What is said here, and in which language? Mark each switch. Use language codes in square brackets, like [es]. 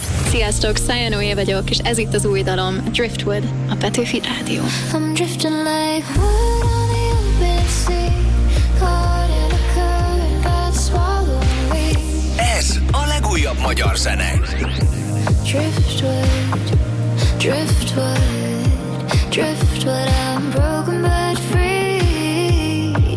[hu] Sziasztok, Szajanó Éva vagyok, és ez itt az új dalom, Driftwood, a Petőfi Rádió. [en] I'm drifting like wood on the open sea, caught in a current that swallowed me. [hu] Ez a legújabb magyar zene. [en] Driftwood, driftwood, driftwood, I'm broken but free.